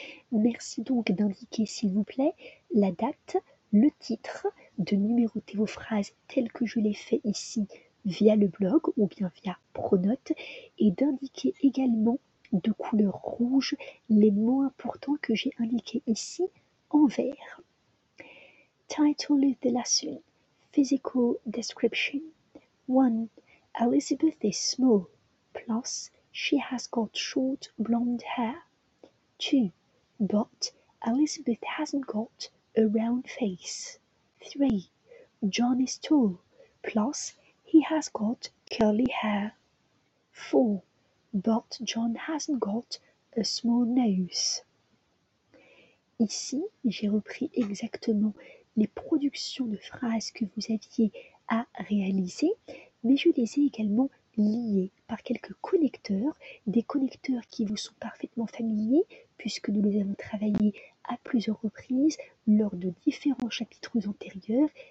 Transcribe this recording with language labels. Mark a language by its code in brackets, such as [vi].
[fr] Merci donc d'indiquer, s'il vous plaît, la date, le titre, de numéroter vos phrases telles que je l'ai fait ici via le blog ou bien via Pronote, et d'indiquer également de couleur rouge les mots importants que j'ai indiqués ici en vert. [en] Title of the lesson, physical description. 1. Elizabeth is small, plus she has got short blonde hair. 2. But Elizabeth hasn't got a round face. 3. John is tall, plus he has got curly hair. 4. But John hasn't got a small nose. [fr] Ici, j'ai repris exactement les productions de phrases que vous aviez à réaliser, mais je les ai également liées par quelques connecteurs, des connecteurs qui vous sont parfaitement familiers, puisque nous les avons travaillés à plusieurs reprises lors de différents chapitres antérieurs,